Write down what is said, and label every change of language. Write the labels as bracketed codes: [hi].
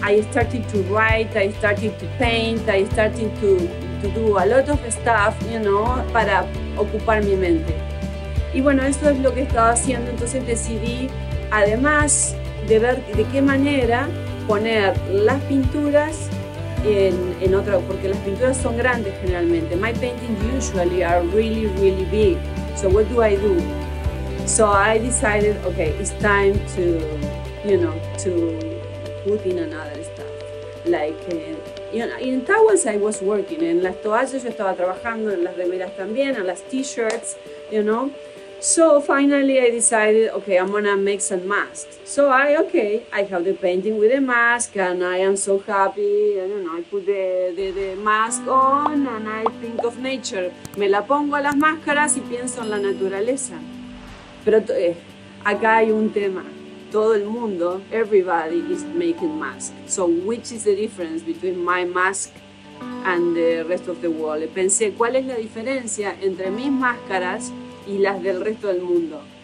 [en] I started to write, I started to paint, I started to do a lot of stuff, you know, [es] para ocupar mi mente. Y bueno, esto es lo que estaba haciendo, entonces decidí, además de ver de qué manera poner las pinturas en otra, porque las pinturas son grandes generalmente. [en] My paintings usually are really, really big. So what do? So I decided, okay, it's time to, you know, to put in another stuff. Like, you know, in towels I was working, [es] en las toallas yo estaba trabajando, en las [en] remeras también, en las t-shirts, you know. So finally I decided, okay, I'm gonna make some masks. So I have the painting with a mask and I am so happy. I don't know, I put the mask on and I think of nature. [es] Me la pongo a las máscaras y pienso en la naturaleza. Pero acá hay un tema. Todo el mundo, [en] everybody is making masks. So which is the difference between my mask and the rest of the world? [es] Pensé, ¿cuál es la diferencia entre mis máscaras y las del resto del mundo?